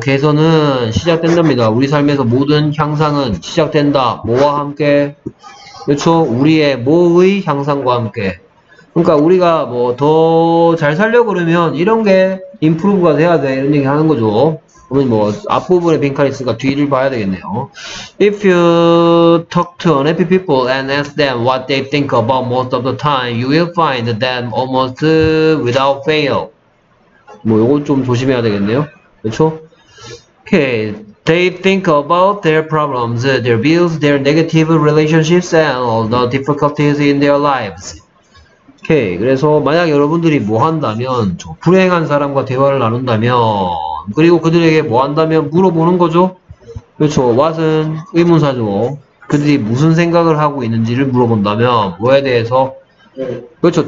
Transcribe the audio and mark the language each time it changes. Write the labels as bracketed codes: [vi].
[ko] 개선은 시작된답니다. 우리 삶에서 모든 향상은 시작된다. 뭐와 함께 그렇죠 우리의 뭐의 향상과 함께 그러니까 우리가 뭐 더 잘 살려고 그러면 이런 게 improve가 돼야 돼 이런 얘기 하는 거죠. 그러면 뭐 앞부분에 빈칸이 있으니까 뒤를 봐야 되겠네요. [en] If you talk to unhappy people and ask them what they think about most of the time, you will find them almost without fail. [ko] 뭐 요거 좀 조심해야 되겠네요. 그렇죠? Okay. [en] They think about their problems, their bills, their negative relationships, and all the difficulties in their lives. [ko] 오케이 okay, 그래서 만약 여러분들이 뭐 한다면 저 불행한 사람과 대화를 나눈다면 그리고 그들에게 뭐 한다면 물어보는 거죠. 그렇죠. What은 의문사죠. 그들이 무슨 생각을 하고 있는지를 물어본다면 뭐에 대해서 그렇죠.